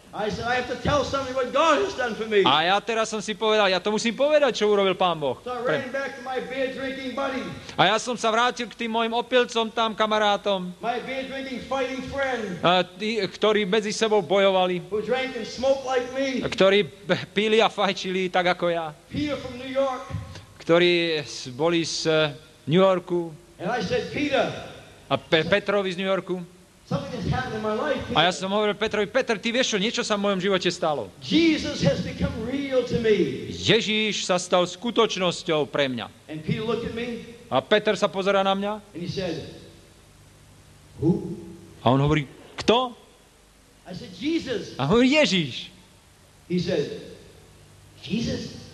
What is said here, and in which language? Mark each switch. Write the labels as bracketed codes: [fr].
[en] I said, I have to tell somebody what God has done for me. [sk] A ja teraz som si povedal, ja to musím povedať, čo urobil Pán Boh. [en] So I ran back to my beer drinking buddy. [sk] A ja som sa vrátil k tým mojim opilcom tam, kamarátom. [en] My beer drinking fighting friend. [sk] Tí, ktorí medzi sebou bojovali. [en] Who drank and smoked like me. [sk] Ktorí pili a fajčili tak ako ja. [en] Peter from New York. [sk] Ktorí boli z New Yorku. [en] And I said, Peter. [sk] A Petrovi z New Yorku. [en] Something has happened in my life. [sk] A ja som hovoril Petrovi, Peter, ty vieš čo, niečo sa v mojom živote stalo. [en] Jesus has become real to me. [sk] Ježíš sa stal skutočnosťou pre mňa. [en] And Peter looked at me. [sk] A Peter sa pozerá na mňa. [en] And he said, who? [sk] A on hovorí, kto? [en] I said, Jesus. [sk] A hovorí, Ježíš. [en] He said, Jesus.